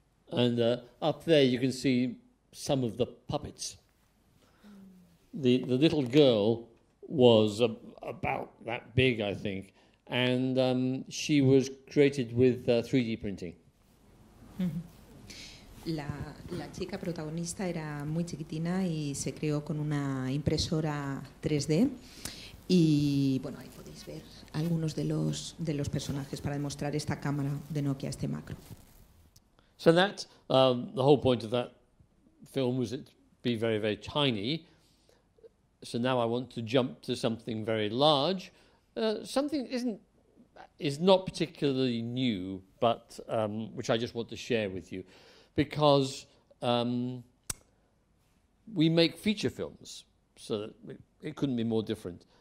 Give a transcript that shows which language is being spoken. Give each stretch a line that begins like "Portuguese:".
English: And up there you can see some of the puppets. The little girl was about that big, I think, and she was created with 3D printing.
Spanish: La chica protagonista era muy chiquitina y se creó con una impresora 3D. Y bueno, ahí podéis ver algunos de los personajes para demostrar esta cámara de Nokia, este macro.
English: So that the whole point of that film was it be very, very tiny. So now I want to jump to something very large. Something is not particularly new, but which I just want to share with you, because we make feature films, so that it couldn't be more different.